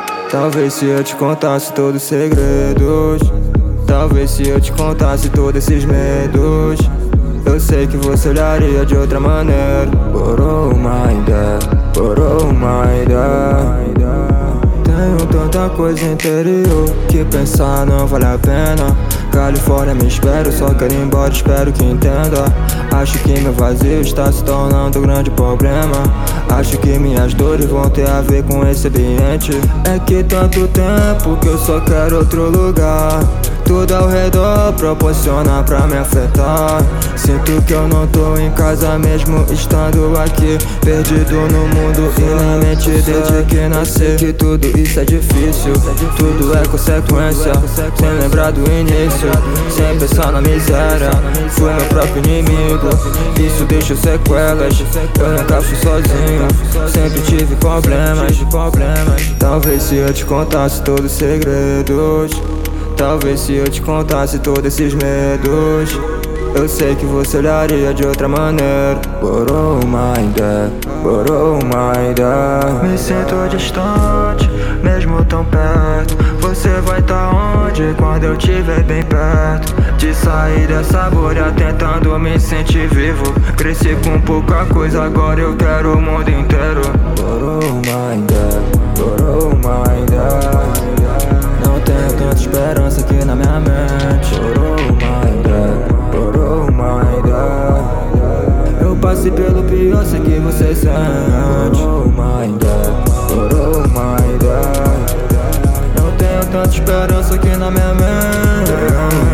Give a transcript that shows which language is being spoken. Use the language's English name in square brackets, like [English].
[Portuguese] Talvez se eu te contasse todos os segredos, talvez se eu te contasse todos esses medos, eu sei que você olharia de outra maneira. [English] Borrow my day, borrow my day. [Portuguese] Tenho tanta coisa interior que pensar não vale a pena. Califórnia me espera, só quero ir embora, espero que entenda. Acho que meu vazio está se tornando um grande problema. Acho que minhas dores vão ter a ver com esse ambiente. É que tanto tempo que eu só quero outro lugar. Tudo ao redor proporciona pra me afetar. Sinto que eu não tô em casa mesmo estando aqui. Perdido no mundo e na mente desde que nasci. Sei que tudo isso é difícil, tudo é consequência. Sem lembrar do início, sem pensar na miséria. Fui meu próprio inimigo, isso deixa sequelas. Eu nunca fui sozinho, sempre tive problemas. Talvez se eu te contasse todos os segredos, talvez se eu te contasse todos esses medos, eu sei que você olharia de outra maneira. [English] Borrow my day, borrow my day. [Portuguese] Me sinto distante, mesmo tão perto. Você vai tá onde quando eu estiver bem perto? De sair dessa bolha tentando me sentir vivo. Cresci com pouca coisa, agora eu quero o mundo inteiro. [English] Borrow my day, borrow my day. [Portuguese] Tenho tanta esperança aqui na minha mente. [English] Borrow my day, borrow my day. [Portuguese] Eu passei pelo pior, sei que você sente. [English] Borrow my day, borrow my day. [Portuguese] Não tenho tanta esperança aqui na minha mente.